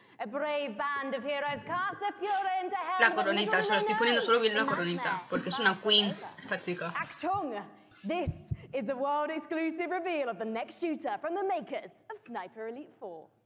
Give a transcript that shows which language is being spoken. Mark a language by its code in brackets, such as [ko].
[en] A brave band of heroes cast the Führer into hell. [es] La coronita, se lo estoy poniendo solo bien la coronita, porque es una queen, esta chica. [en] Achtung, this is the world exclusive reveal of the next shooter from the makers of Sniper Elite 4.